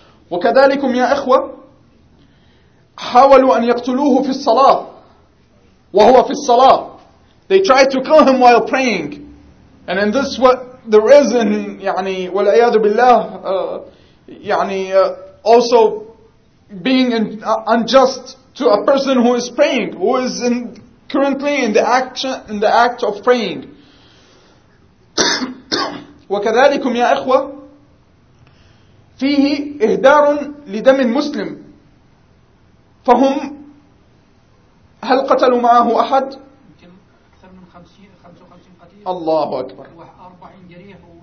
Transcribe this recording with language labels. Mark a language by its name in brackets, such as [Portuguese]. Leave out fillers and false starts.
[Arabic] وكذلكم يا إخوة حاولوا أن يقتلوه في الصلاة وهو في الصلاة. [English] They tried to kill him while praying, and in this what there is in [Arabic] يعني والعياذ بالله يعني [English] also being unjust to a person who is praying, who is in currently in the action in the act of praying. [Arabic] وكذلكم يا إخوة فيه إهدار لدم المسلم. فهم هل قتلوا معه أحد؟ أكثر من 55 قتيل. الله أكبر. 40 جريح